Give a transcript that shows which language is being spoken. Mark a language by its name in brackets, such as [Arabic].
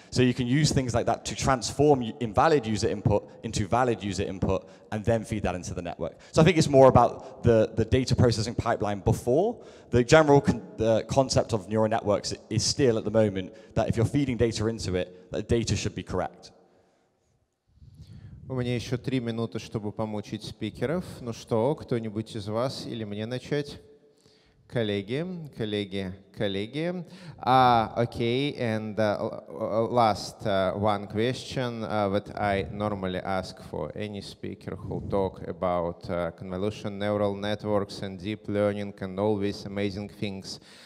[English] So you can use things like that to transform invalid user input into valid user input and then feed that into the network. So I think it's more about the data processing pipeline before. The general concept of neural networks is still at the moment that if you're feeding data into it, that data should be correct. [Russian] У меня еще 3 минуты, чтобы помучить спикеров. Ну что, кто-нибудь из вас или мне начать? Коллеги. [English] Okay, and last one question that I normally ask for any speaker who talk about convolutional neural networks and deep learning and all these amazing things.